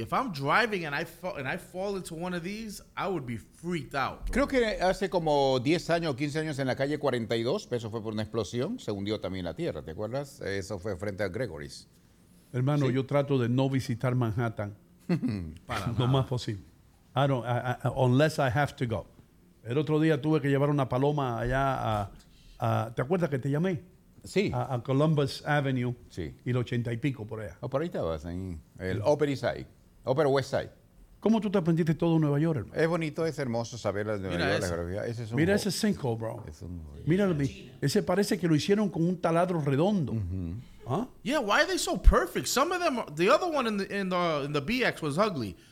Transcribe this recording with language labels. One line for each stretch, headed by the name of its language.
English: If I'm driving and I fall into one of these, I would be freaked out. Bro.
Spanish: Creo que hace como 10 años o 15 años en la calle 42, eso fue por una explosión, se hundió también la tierra, ¿te acuerdas? Eso fue frente a Gregory's. Hermano, sí. Yo trato de no visitar Manhattan para lo más posible.
English: Unless I have to go.
Spanish: El otro día tuve que llevar una paloma allá a ¿te acuerdas que te llamé? Sí. A Columbus Avenue. Sí. Y el 80 y pico por allá. Oh, por ahí estabas, en el Upper East Side. Upper West Side. ¿Cómo tú te aprendiste todo Nueva York, hermano? Es bonito, es hermoso saber las de Nueva York. Mira ese sinkhole, bro. Ese parece que lo hicieron con un taladro redondo. Uh-huh. ¿Ah?
English: Yeah, why are they so perfect? Some of them, the other one in the BX was ugly.